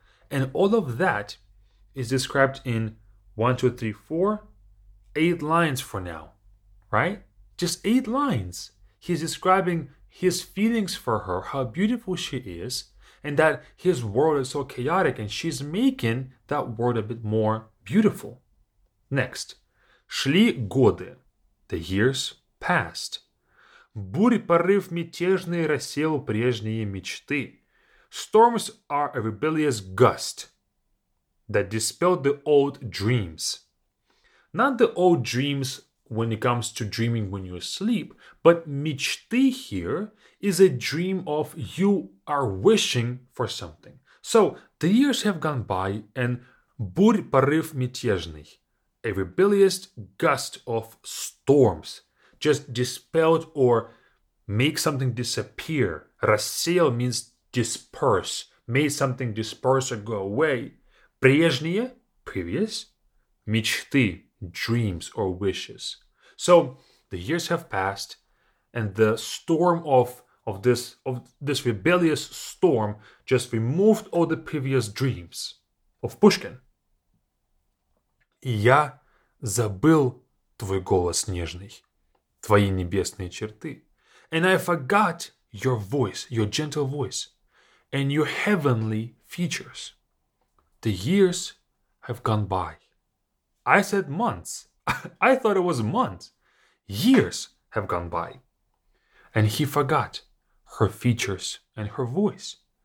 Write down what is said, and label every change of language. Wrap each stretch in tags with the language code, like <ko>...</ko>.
<en>And all of that is described in 1, 2, 3, 4, 8 lines for now, right? Just 8 lines. He's describing his feelings for her, how beautiful she is, and that his world is so chaotic and she's making that world a bit more beautiful. Next.</en> <ru>Шли годы.</ru> <en>The years passed.</en> <ru>Бурь порыв мятежный рассел прежние мечты.</ru> <en>Storms are a rebellious gust that dispelled the old dreams. Not the old dreams when it comes to dreaming when you sleep, but мечты here is a dream of you are wishing for something. So the years have gone by and</en> <ru>бурь порыв мятежный,</ru> <en>a rebellious gust of storms, just dispelled or make something disappear. Рассел means disperse, made something disperse or go away. Прежние, previous, мечты, dreams or wishes. So the years have passed and the storm of this rebellious storm just removed all the previous dreams of Pushkin.</en> <ru>Я забыл твой голос нежный, твои небесные черты.</ru> <en>And I forgot your voice, your gentle voice, and your heavenly features. The years have gone by. I said months. I thought it was months. Years have gone by. And he forgot her features and her voice.</en>